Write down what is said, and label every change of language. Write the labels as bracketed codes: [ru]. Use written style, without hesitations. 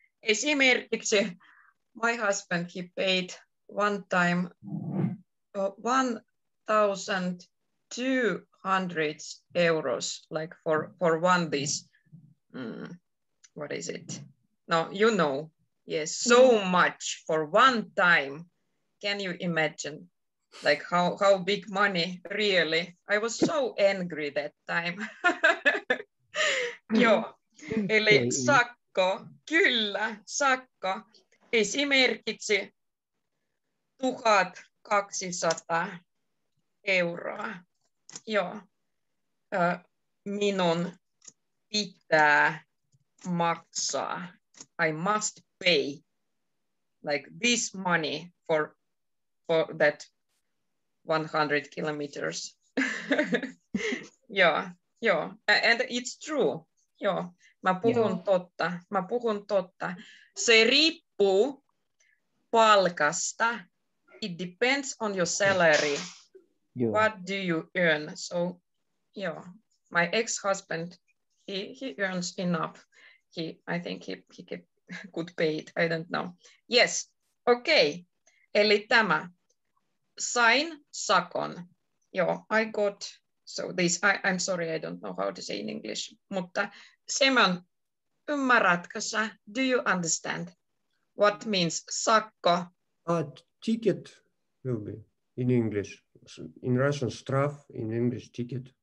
[fi] Esimerkiksi [en] my husband, he paid one time 1,200 euros, like for one this, what is it? No, you know, yes, so much for one time. Can you imagine, like how big money really? I was so angry that time. [fi] Joo, eli sakko, kyllä, sakko. Esimerkiksi 1,200 euroa. Joo, minun pitää maksaa. [en] I must pay like this money for that 100 kilometers. Joo, joo, and it's true. [fi] Joo, mä puhun totta, mä puhun totta. Se riippuu palkasta. [en] It depends on your salary. Yeah. What do you earn? So, yeah, my ex-husband, he earns enough. I think he could pay it. I don't know. Yes. Okay. [fi] Eli tämä. Sain sakon. Joo, [en] I got. So this, I'm sorry, I don't know how to say in English. [fi] Mutta Simon, ymmärrätkö sä? [en] Do you understand what means sakko? Ticket will be in English. In Russian, straf, in English, ticket.